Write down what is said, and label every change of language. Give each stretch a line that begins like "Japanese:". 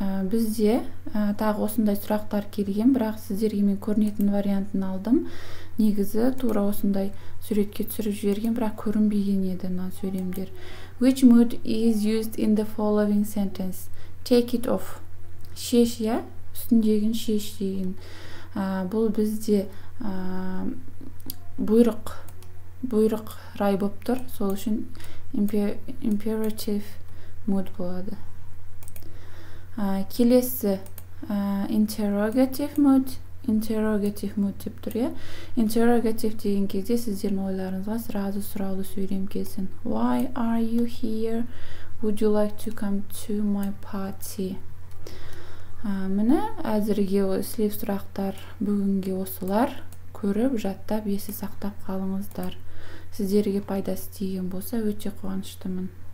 Kazakh: Бізде тағы осындай сұрақтар келген, бірақ сіздерге мен көрінетін вариантын алдым. Негізі тура осындай суретке түсіріп жіберген, бірақ көрінбеген еді мына сөйлемдер.
English: Which mood is used in the following sentence? Take it off.
Kazakh: Шеш, я? Үстіндегін шеш деген. Бұл бізде бұйрық рай боп тұр. Сол үшін imperative mood болады. Келесі interrogative mood деп тұр, е? Interrogative деген кезде сіздердің ойларыңызға сразу сұрауды сөйлем келсін.
English: Why are you here? Would you like to come to my party?
Kazakh: Міне, әзірге слив сұрақтар бүгінге осылар. Көріп, жаттап, есі сақтап қалыңыздар. Сіздерге пайдасы тиген болса, өте қуаныштымын.